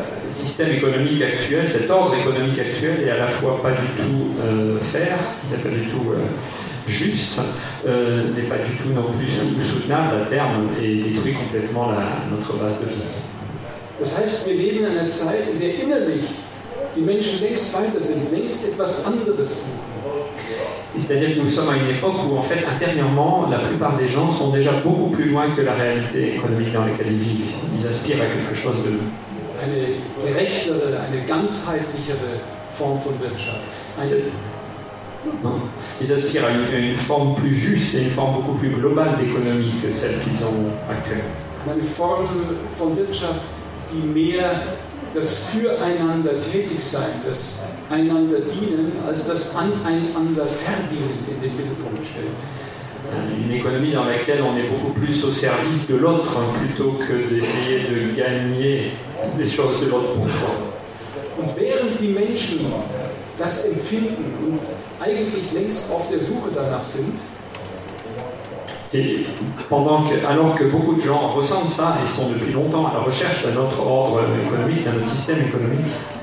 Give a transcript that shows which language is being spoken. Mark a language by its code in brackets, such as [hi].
[fr] Système économique actuel, cet ordre économique actuel est à la fois pas du tout fair, c'est pas du tout juste, n'est pas du tout non plus soutenable à terme et détruit complètement notre base de vie. [de] Das heißt, wir leben in einer Zeit, in der innerlich die Menschen längst weiter sind, längst etwas anderes suchen. [fr] C'est-à-dire que nous sommes à une époque où, en fait, intérieurement, la plupart des gens sont déjà beaucoup plus loin que la réalité économique dans laquelle ils vivent. Ils aspirent à quelque chose de. [de] Eine gerechtere, eine ganzheitlichere Form von Wirtschaft. [fr] Ils aspirent à une forme plus juste et une forme beaucoup plus globale d'économie que celle qu'ils ont actuellement. Une forme [de] von Wirtschaft, die mehr das füreinander tätig sein, das einander dienen, als das aneinander verdienen in den Mittelpunkt stellt. [fr] Une économie dans laquelle on est beaucoup plus au service de l'autre plutôt que d'essayer de gagner des choses de l'autre pour soi. [de] Und während die Menschen das empfinden und eigentlich längst auf der Suche danach sind. [fr] Et alors que beaucoup de gens ressentent ça et sont depuis longtemps à la recherche d'un autre ordre économique, d'un autre système économique.